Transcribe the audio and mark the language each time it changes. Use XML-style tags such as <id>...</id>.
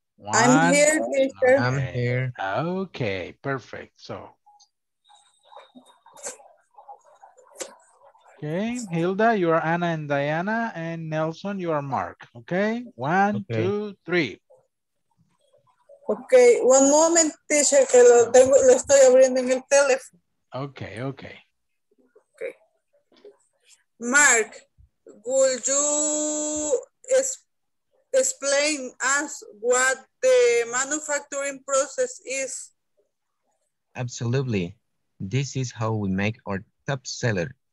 <en>I'm here. Okay, perfect. So, okay, Hilda, you are Anna and Diana, and Nelson, you are Mark. Okay, one, two, three. Okay, one moment, teacher,</en> <es>que lo tengo, lo estoy abriendo en el teléfono.</es> <en>Okay, okay. Okay. Mark, would you explain us what the manufacturing process is? Absolutely. This is how we make our top seller.</en>